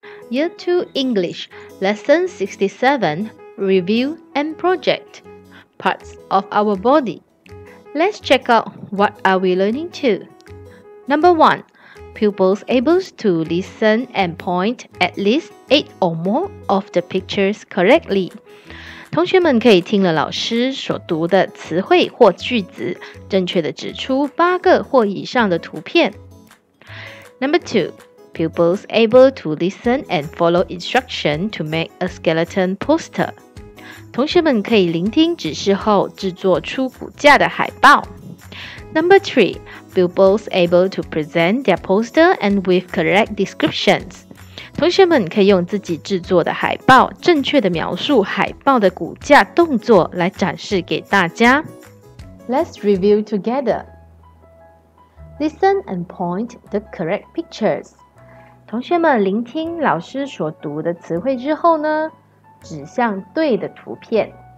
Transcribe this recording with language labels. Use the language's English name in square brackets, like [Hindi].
[English] Year 2 English, Lesson 67, Review and Project, Parts of Our Body. Let's check out what are we learning to. Number 1. Pupils able to listen and point at least 8 or more of the pictures correctly. [Chinese] 同学们可以听了老师所读的词汇或句子，正确地指出八个或以上的图片。 [English] Number 2. Pupils able to listen and follow instruction to make a skeleton poster. [Chinese] 同学们可以聆听指示后制作出骨架的海报。 [English] Number 3. Pupils able to present their poster and with correct descriptions. [Chinese] 同学们可以用自己制作的海报，正确地描述海报的骨架动作来展示给大家。 [English] Let's review together. Listen and point the correct pictures. [Chinese] 同学们聆听老师所读的词汇之后呢，指向对的图片。